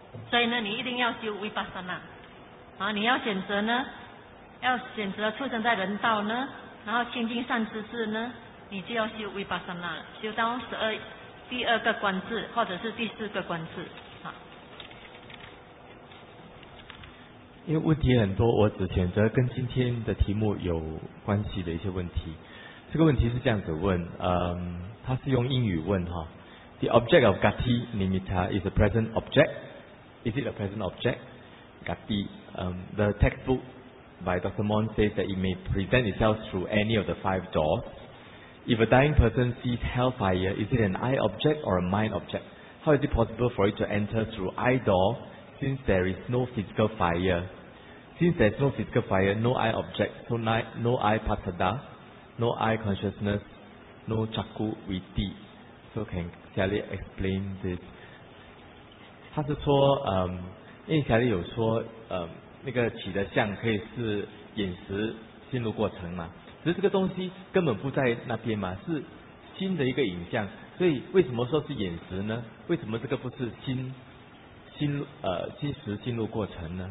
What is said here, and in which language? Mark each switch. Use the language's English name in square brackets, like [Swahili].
[Chinese] 所以呢，你一定要修维巴三那，啊，你要选择呢，要选择出生在人道呢，然后清净善知识呢，你就要修维巴三那，修到十二第二个观智或者是第四个观智啊。因为问题很多，我只选择跟今天的题目有关系的一些问题。这个问题是这样子问，它是用英语问哈。 [English] The object of gati nimitta is a present object. Is it a present object? Gati. The textbook by Dr. Mon says that it may present itself through any of the five doors. If a dying person sees hellfire, is it an eye object or a mind object? How is it possible for it to enter through eye door since there is no physical fire? Since there is no physical fire, no eye object, so no eye patada, no eye consciousness, no chaku witi. So can Sally explain this? [Chinese] 他是说，因为小丽有说，那个起的相可以是饮食心路过程嘛，只是这个东西根本不在那边嘛，是心的一个影像，所以为什么说是饮食呢？为什么这个不是心食心路过程呢？